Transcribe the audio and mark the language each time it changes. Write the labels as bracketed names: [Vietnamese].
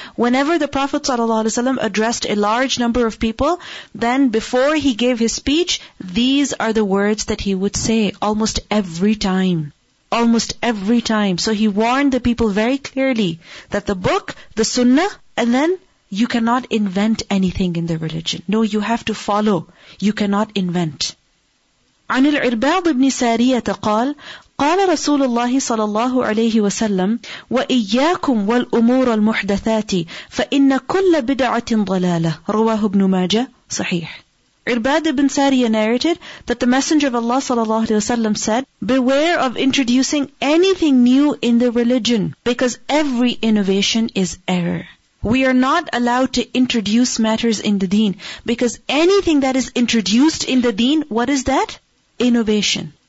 [English] Whenever the Prophet ﷺ addressed a large number of people, then before he gave his speech, these are the words that he would say almost every time. Almost every time. So he warned the people very clearly that the book, the sunnah, and then you cannot invent anything in the religion. No, you have to follow. You cannot invent. [Arabic] عن العرباض بن سارية قال قال رسول الله صلى الله عليه وسلم وإياكم والأمور المحدثات فإن كل بدعة ضلالة رواه ابن ماجة صحيح. [English] Irbad ibn Sariya narrated that the Messenger of Allah sallallahu alayhi wa sallam said, "Beware of introducing anything new in the religion, because every innovation is error." We are not allowed to introduce matters in the deen, because anything that is introduced in the deen, what is that? Innovation.